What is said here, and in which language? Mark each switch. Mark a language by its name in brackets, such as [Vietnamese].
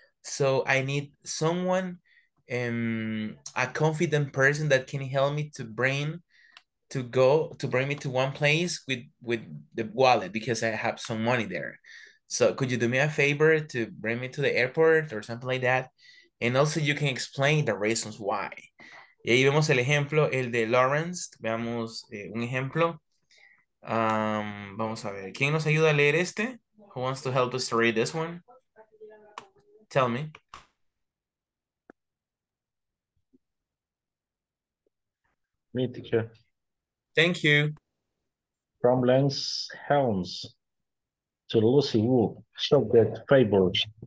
[English] So I need someone, a confident person that can help me to bring me to one place with the wallet because I have some money there. So could you do me a favor to bring me to the airport or something like that? And also you can explain the reasons why. [Spanish] Y ahí vemos el ejemplo, el de Lawrence. Veamos un ejemplo. Vamos a ver, ¿quién nos ayuda a leer este? [English] Who wants to help us read this one? Tell me. Me, teacher. Thank you. From Lance Helms to Lucy Wu, show that favors.